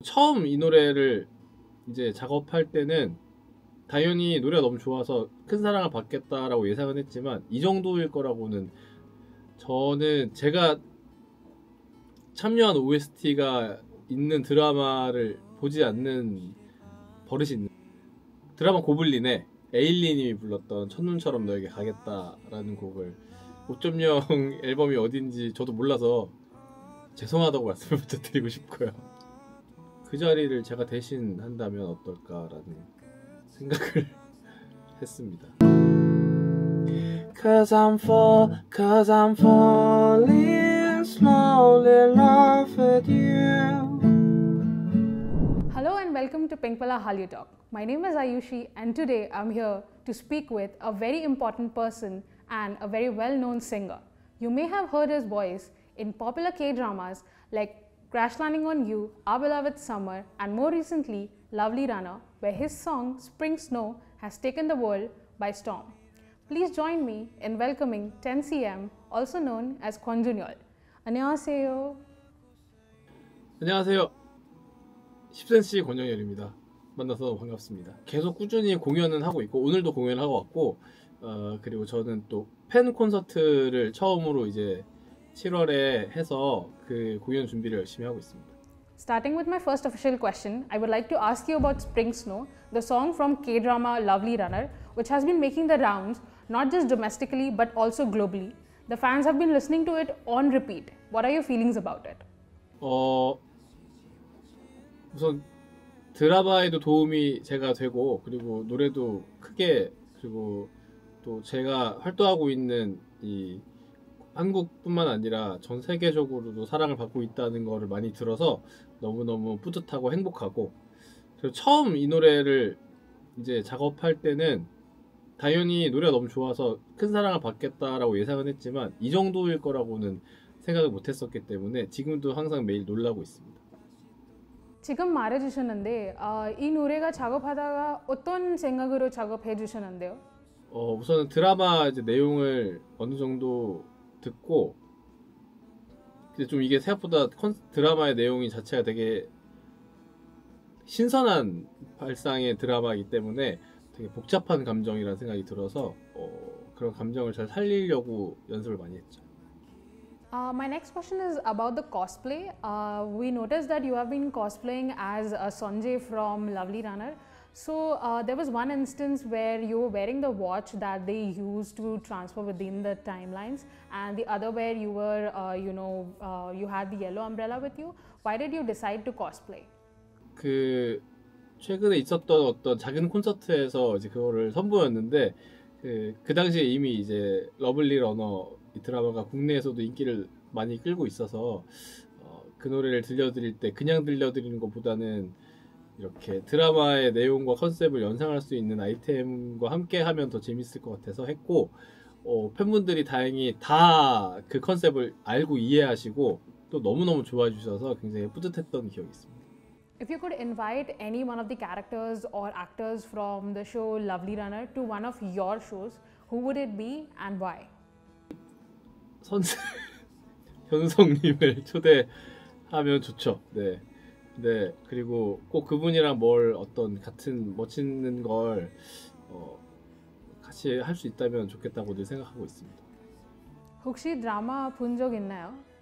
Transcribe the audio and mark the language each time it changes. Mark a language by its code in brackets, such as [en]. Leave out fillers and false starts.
[ko] 처음 이 노래를 이제 작업할 때는 당연히 노래가 너무 좋아서 큰 사랑을 받겠다라고 예상은 했지만 이 정도일 거라고는 저는 제가 참여한 OST가 있는 드라마를 보지 않는 버릇이 있는 드라마 고블린의 에일리님이 불렀던 첫눈처럼 너에게 가겠다라는 곡을 5.0 앨범이 어딘지 저도 몰라서 죄송하다고 말씀을 먼저 드리고 싶고요. 그 자리를 제가 대신 한다면 어떨까라는 생각을 했습니다. [en] Cause I'm fall, cause I'm falling slowly in love with you. Hello and welcome to Pinkpala Hallyu Talk. My name is Ayushi and today I'm here to speak with a very important person and a very well-known singer. You may have heard his voice in popular K-dramas like Crash Landing on You, Our Beloved Summer, and more recently, Lovely Runner, where his song Spring Snow has taken the world by storm. Please join me in welcoming 10CM, also known as Kwon Junyeol. [ko] 안녕하세요. 안녕하세요. 10cm 권영열입니다. 만나서 반갑습니다. 계속 꾸준히 공연은 하고 있고 오늘도 공연을 하고 왔고 그리고 저는 또팬 콘서트를 처음으로 이제 7월에 해서 그 공연 준비를 열심히 하고 있습니다. [en] Starting with my first official question, I would like to ask you about Spring Snow, the song from K-drama Lovely Runner, which has been making the rounds not just domestically but also globally. The fans have been listening to it on repeat. What are your feelings about it? [ko] 우선 드라마에도 도움이 제가 되고 그리고 노래도 크게 그리고 또 제가 활동하고 있는 이 한국뿐만 아니라 전 세계적으로도 사랑을 받고 있다는 거를 많이 들어서 너무너무 뿌듯하고 행복하고 그리고 처음 이 노래를 이제 작업할 때는 당연히 노래가 너무 좋아서 큰 사랑을 받겠다라고 예상은 했지만 이 정도일 거라고는 생각을 못 했었기 때문에 지금도 항상 매일 놀라고 있습니다. 지금 말해주셨는데, 이 노래가 작업하다가 어떤 생각으로 작업해 주셨는데요? 우선은 드라마 이제 내용을 어느 정도 듣고 이제 좀 이게 생각보다 드라마의 내용이 자체가 되게 신선한 발상의 드라마이기 때문에 되게 복잡한 감정이라는 생각이 들어서 그런 감정을 잘 살리려고 연습을 많이 했죠. [en] My next question is about the cosplay. We noticed that you have been cosplaying as a Sanjay from Lovely Runner. So there was one instance where you were wearing the watch that they used to transfer within the timelines, and the other where you were, you had the yellow umbrella with you. Why did you decide to cosplay? [ko] 그 최근에 있었던 어떤 작은 콘서트에서 이제 그거를 선보였는데 그 당시에 이미 이제 러블리 러너 이 드라마가 국내에서도 인기를 많이 끌고 있어서 그 노래를 들려드릴 때 그냥 들려드리는 것보다는 이렇게 드라마의 내용과 컨셉을 연상할 수 있는 아이템과 함께 하면 더 재밌을 것 같아서 했고 팬분들이 다행히 다그 컨셉을 알고 이해하시고 또 너무너무 좋아해 주셔서 굉장히 뿌듯했던 기억이 있습니다. [en] If you could invite any one of the characters or actors from the show Lovely Runner to one of your shows, who would it be and why? [ko] 현성님을 초대하면 좋죠. 네. 그리고 꼭 그분이랑 뭘 어떤 같은 멋있는 걸 같이 할수 있다면 좋겠다고 늘 생각하고 있습니다. 혹시 드라마 본적 있나요?